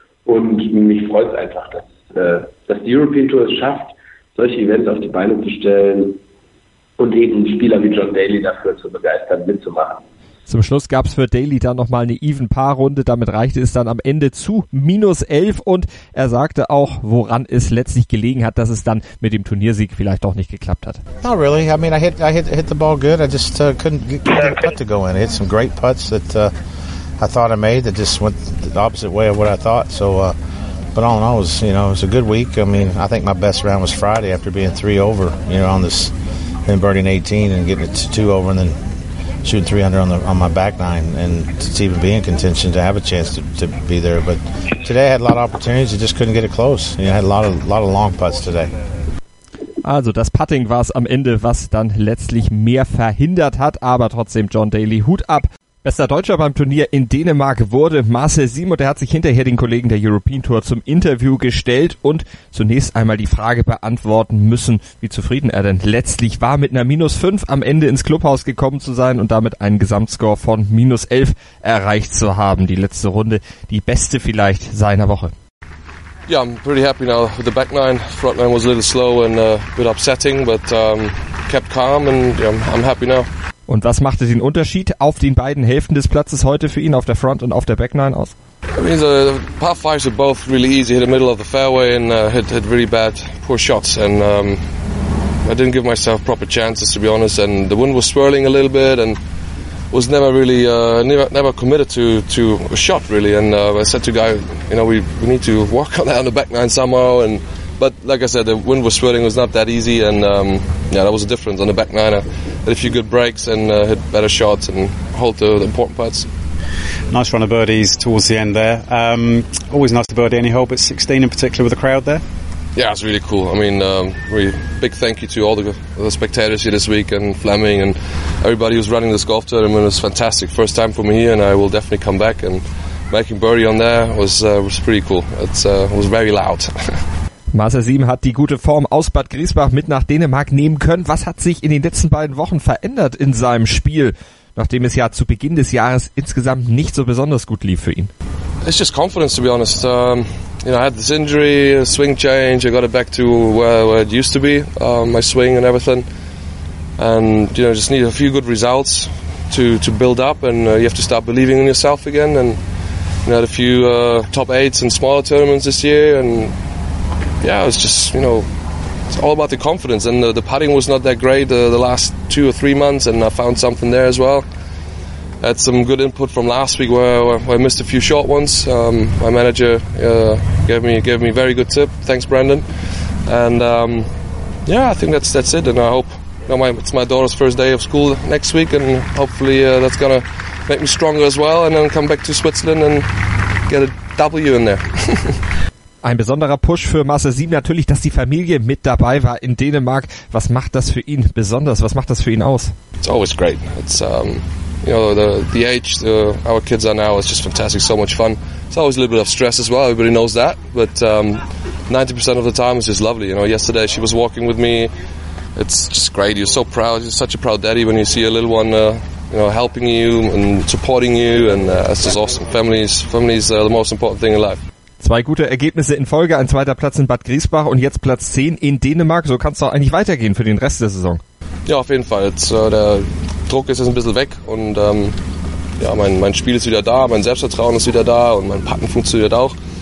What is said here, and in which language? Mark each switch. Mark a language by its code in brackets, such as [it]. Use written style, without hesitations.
[de] Und mich freut es einfach, dass die European Tour es schafft, solche Events auf die Beine zu stellen und eben Spieler wie John Daly dafür zu begeistern, mitzumachen. Zum Schluss gab es für Daly dann nochmal eine Even-Paar-Runde. Damit reichte es dann am Ende zu -11. Und er sagte auch, woran es letztlich gelegen hat, dass es dann mit dem Turniersieg vielleicht doch nicht geklappt hat. [en] Not really. I mean, I hit the ball good. I just couldn't get a putt to go in. I hit some great putts that I thought I made that just went the opposite way of what I thought. So, but all in all, it was a good week. I mean, I think my best round was Friday after being 3 over, you know, on this, and birding 18 and getting it to 2 over and then shooting 3 under on my back nine, and to even be in contention to have a chance to be there. But today I had a lot of opportunities, I just couldn't get it close. You know, I had a lot of long putts today. [de] Also das Putting war es am Ende, was dann letztlich mehr verhindert hat, aber trotzdem John Daly, Hut ab. Bester Deutscher beim Turnier in Dänemark wurde Marcel Simon. Der hat sich hinterher den Kollegen der European Tour zum Interview gestellt und zunächst einmal die Frage beantworten müssen, wie zufrieden er denn letztlich war, mit einer -5 am Ende ins Clubhaus gekommen zu sein und damit einen Gesamtscore von -11 erreicht zu haben. Die letzte Runde, die beste vielleicht seiner Woche. [en] Yeah, I'm pretty happy now with the back nine. Front nine was a little slow and a bit upsetting, but kept calm and I'm happy now. [de] Und was machte den Unterschied auf den beiden Hälften des Platzes heute für ihn, auf der Front und auf der Back 9 aus? [en] I mean, the par 5s were both really easy, hit the middle of the fairway and hit really bad, poor shots. And I didn't give myself proper chances, to be honest. And the wind was swirling a little bit and was never really, never committed to a shot, really. And I said to the guy, you know, we need to work on that on the back 9 somehow. And but like I said, the wind was swirling, it was not that easy. And yeah, that was a difference on the back 9. Had a few good breaks and hit better shots and hold the important putts. Nice run of birdies towards the end there. Always nice to birdie any hole, but 16 in particular with the crowd there? Yeah, it's really cool. I mean, really big thank you to all the spectators here this week and Fleming and everybody who's running this golf tournament. It was fantastic. First time for me here and I will definitely come back. And making birdie on there was pretty cool. It was very loud. [de] Marcel Sieben hat die gute Form aus Bad Griesbach mit nach Dänemark nehmen können. Was hat sich in den letzten beiden Wochen verändert in seinem Spiel, nachdem es ja zu Beginn des Jahres insgesamt nicht so besonders gut lief für ihn? [en] It's just confidence, to be honest. I had this injury, a swing change. I got it back to where it used to be, my swing and everything. And you know, just need a few good results to build up, and you have to start believing in yourself again. And you know, had a few top eights in smaller tournaments this year. And yeah, it's just, you know, it's all about the confidence. And the putting was not that great the last 2 or 3 months, and I found something there as well. I had some good input from last week where I missed a few short ones. My manager gave me very good tip. Thanks, Brandon. And yeah, I think that's it. And I hope it's my daughter's first day of school next week, and hopefully that's going to make me stronger as well, and then come back to Switzerland and get a W in there. [de] Ein besonderer Push für Marcel Sieben natürlich, dass die Familie mit dabei war in Dänemark. Was macht das für ihn besonders? Was macht das für ihn aus? [en] It's always great. It's the age our kids are now is just fantastic. So much fun. It's always a little bit of stress as well. Everybody knows that, but 90% of the time it's just lovely. You know, yesterday she was walking with me. It's just great. You're so proud. You're such a proud daddy when you see a little one, helping you and supporting you, and that's just awesome. Family is the most important thing in life. [de] Zwei gute Ergebnisse in Folge, ein zweiter Platz in Bad Griesbach und jetzt Platz 10 in Dänemark. So kann es doch eigentlich weitergehen für den Rest der Saison. Ja, auf jeden Fall. Der Druck ist jetzt ein bisschen weg und mein Spiel ist wieder da, mein Selbstvertrauen ist wieder da und mein Putten funktioniert auch.